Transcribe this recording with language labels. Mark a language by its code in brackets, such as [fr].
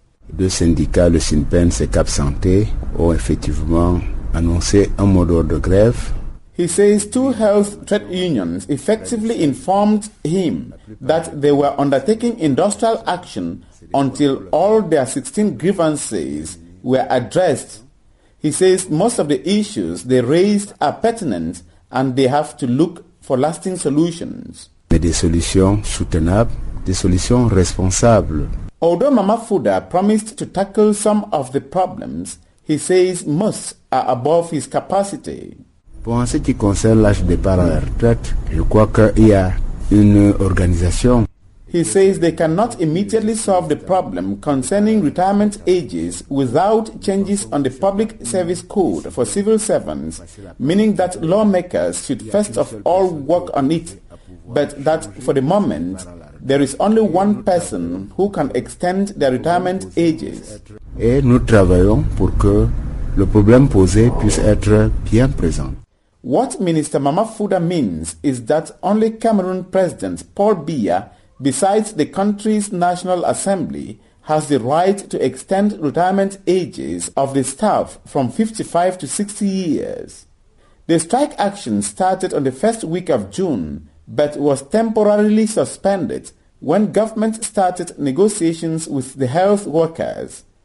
[fr] Deux syndicats, le SINPENS et Cap Santé, ont effectivement annoncé un mot d'ordre de grève. [en] He says two health trade unions effectively informed him that they were undertaking industrial action until all their 16 grievances were addressed. He says most of the issues they raised are pertinent and they have to look for lasting solutions. [fr] Mais des solutions soutenables, des solutions responsables. [en] Although Mamafuda promised to tackle some of the problems, he says most are above his capacity. [fr] Pour ce qui concerne l'âge de départ à la retraite, je crois qu'il y a une organisation. [en] He says they cannot immediately solve the problem concerning retirement ages without changes on the public service code for civil servants, meaning that lawmakers should first of all work on it, but that for the moment, there is only one person who can extend their retirement ages. [fr] Et nous travaillons pour que le problème posé puisse être bien présent. [en] What Minister Mamafuda means is that only Cameroon President Paul Biya, besides the country's National Assembly, has the right to extend retirement ages of the staff from 55 to 60 years. The strike action started on the first week of June, but was temporarily suspended when government started negotiations with the health workers.